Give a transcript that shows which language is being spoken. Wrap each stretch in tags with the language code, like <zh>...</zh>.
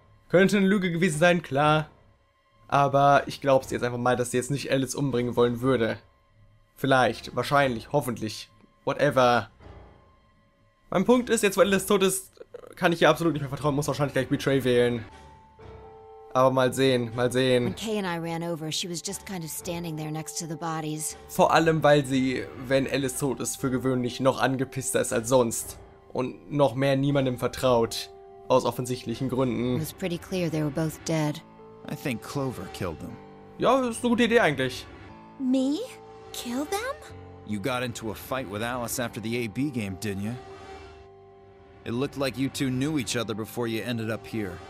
<de>Könnte eine Lüge gewesen sein, klar, aber ich glaube es jetzt einfach mal, dass sie jetzt nicht Alice umbringen wollen würde. Vielleicht, wahrscheinlich, hoffentlich, whatever. Mein Punkt ist, jetzt wo Alice tot ist, kann ich ihr absolut nicht mehr vertrauen, muss wahrscheinlich gleich Betray wählen. Aber mal sehen, mal sehen.</de> <en>When Kay and I ran over, she was just kind of standing there next to the bodies.</en> <de>Vor allem, weil sie, wenn Alice tot ist, für gewöhnlich noch angepisster ist als sonst. Und noch mehr niemandem vertraut. Aus offensichtlichen Gründen.</de> <en>It was pretty clear they were both dead. I think Clover killed them.</en> <de>Ja, ist eine gute Idee eigentlich.</de> <en>Me? Kill them? You got into a fight with Alice after the AB game, didn't you? It looked like you two knew each other before you ended up here.</en>